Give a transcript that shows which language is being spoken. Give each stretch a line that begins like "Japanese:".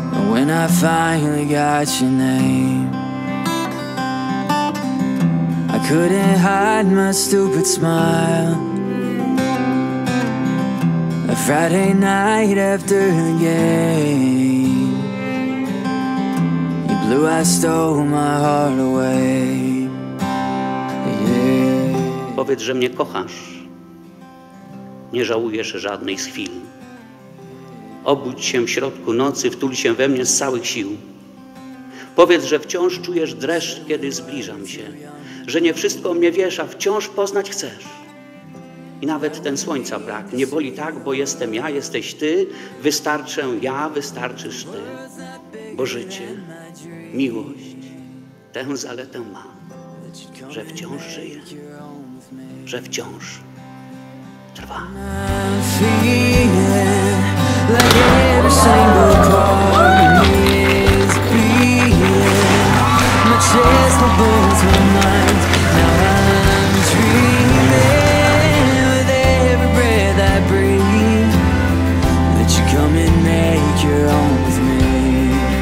English: When I finally got your name, I couldn't hide my stupid smile. A Friday night after the game, you blew, I stole my heart away. Yeah.
Polish: Powiedz, że mnie kochasz. Nie żałujesz żadnej z chwil. Obudź się w środku nocy, wtul się we mnie z całych sił. Powiedz, że wciąż czujesz dreszcz, kiedy zbliżam się, że nie wszystko o mnie wiesz, a wciąż poznać chcesz. I nawet ten słońca brak nie boli tak, bo jestem ja, jesteś ty, wystarczę ja, wystarczysz ty. Bo życie, miłość, tę zaletę ma, że wciąż żyje, że wciąż trwa.
English: Like every single part of me is beating. My chest holds my mind. Now I'm dreaming with every breath I breathe that you come and make your own with me.